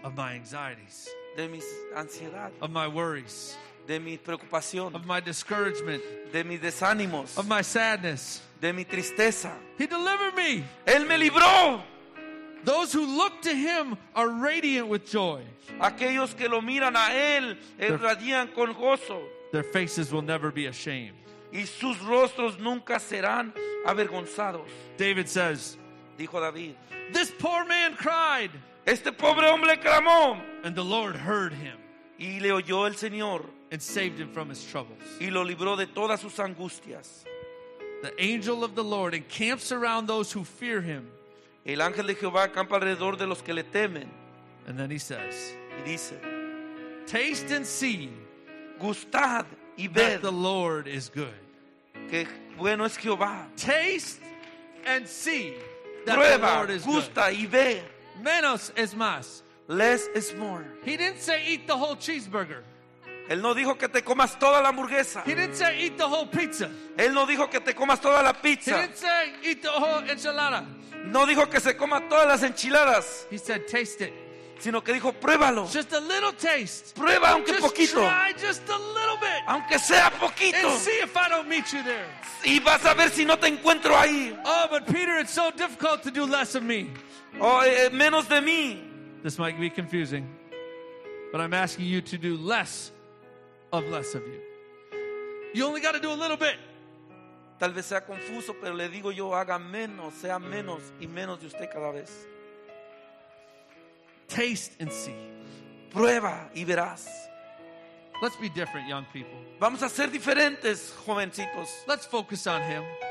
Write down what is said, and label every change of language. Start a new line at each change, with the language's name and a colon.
English: Of my anxieties.
Spanish: De mis ansiedad.
English: Of my worries.
Spanish: De mi preocupación.
English: Of my discouragement.
Spanish: De mis desánimos.
English: Of my sadness.
Spanish: De mi tristeza.
English: He delivered me.
Spanish: Él me libró.
English: Those who look to him are radiant with joy.
Spanish: Aquellos que lo miran a él, irradian con gozo.
English: Their faces will never be ashamed.
Spanish: Y sus rostros nunca serán avergonzados.
English: David says,
Spanish: dijo David,
English: this poor man cried.
Spanish: Este pobre hombre clamó.
English: And the Lord heard him.
Spanish: Y le oyó el Señor.
English: And saved him from his troubles.
Spanish: Y lo libró de todas sus angustias.
English: The angel of the Lord encamps around those who fear him.
Spanish: El ángel de Jehová acampa alrededor de los que le temen.
English: And then he says,
Spanish: y dice,
English: taste and see,
Spanish: gustad y ved,
English: that the Lord is good.
Spanish: Que bueno es Jehová.
English: Taste and see, that
Spanish: prueba,
English: the Lord is
Spanish: gusta
English: good.
Spanish: Y ve. Menos es más.
English: Less is more. He didn't say eat the whole cheeseburger.
Spanish: Él no dijo que te comas toda la hamburguesa.
English: He didn't say eat the whole pizza.
Spanish: Él no dijo que te comas toda la pizza.
English: He didn't say eat the whole enchilada.
Spanish: No dijo que se coma todas las enchiladas.
English: He said taste it.
Spanish: Sino que dijo pruébalo.
English: Just a little taste.
Spanish: Prueba aunque
English: just
Spanish: poquito.
English: Try just a little bit.
Spanish: Aunque sea poquito.
English: And see if I don't meet you there.
Spanish: Y vas a ver si no te encuentro ahí.
English: Oh, but Peter, it's so difficult to do less of me.
Spanish: Oh, menos de mí.
English: This might be confusing, but I'm asking you to do less of less of you. You only got to do a little bit.
Spanish: Tal vez sea confuso, pero le digo yo, haga menos, sea menos y menos de usted cada vez.
English: Taste and see.
Spanish: Prueba y verás.
English: Let's be different, young people.
Spanish: Vamos a ser diferentes, jovencitos.
English: Let's focus on him.